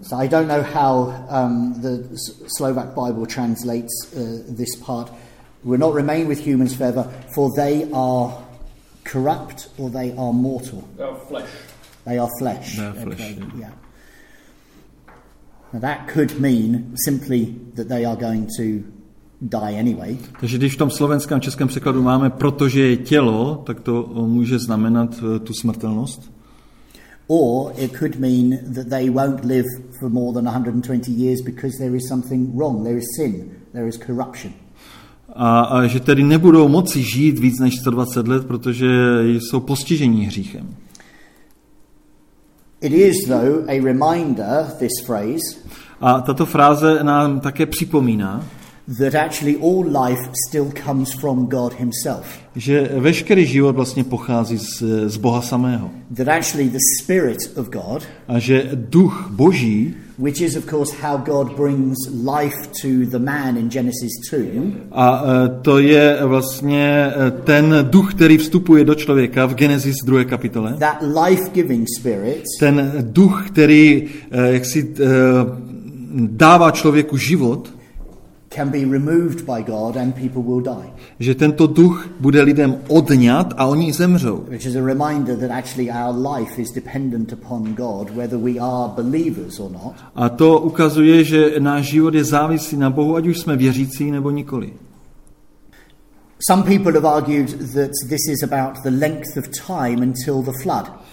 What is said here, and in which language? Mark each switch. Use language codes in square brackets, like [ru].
[en] So I don't know how the Slovak Bible translates this part. We'll not remain with humans forever, for they are corrupt or they are mortal. They are flesh. Okay. Yeah. Now that could mean simply that they are going to die anyway. [cs] Takže když v tom slovenském českém překladu máme protože je tělo, tak to může znamenat tu smrtelnost. [en] Or it could mean that they won't live for more than 120 years because there is something wrong, there is sin, there is corruption. [cs] A že tedy nebudou moci žít víc než 120 let, protože jsou postižení hříchem. [en] It is though a reminder, this phrase. [cs] A tato fráze nám také připomíná, [en] that actually all life still comes from God himself. [cs] Že veškerý život vlastně pochází z Boha samého. [en] That actually the spirit of God, [cs] a že duch Boží, [en] which is of course how God brings life to the man in Genesis 2. [cs] A to je vlastně ten duch, který vstupuje do člověka v Genesis 2. kapitole. [en] That life-giving spirit. [cs] Ten duch, který jaksi dává člověku život. [en] Can be removed by God and people will die. [cs] Že tento duch bude lidem odňat a oni zemřou. [en] Which is a reminder that actually our life is dependent upon God, whether we are believers or not. [cs] A to ukazuje, že náš život je závislý na Bohu, ať už jsme věřící nebo nikoli. [en] Some people have argued that this is about the length of time until the flood.